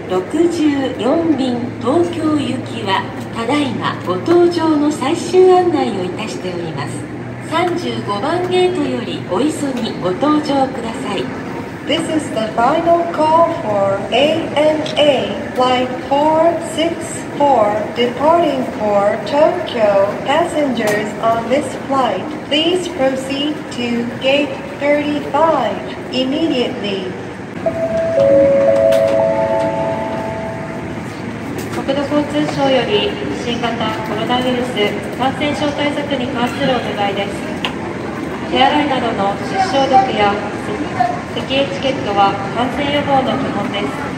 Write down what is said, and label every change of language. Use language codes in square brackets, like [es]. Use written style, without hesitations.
[ja] ANA 464便東京行きはただいまご搭乗の最終案内をいたしております。 35番ゲートよりお急ぎご搭乗ください。 [en] This is the final call for ANA Flight 464 departing for Tokyo. Passengers on this flight, please proceed to gate 35 immediately. [ja] 国土交通省より新型コロナウイルス感染症対策に関するお願いです。手洗いなどの手指消毒や席エチケットは感染予防の基本です。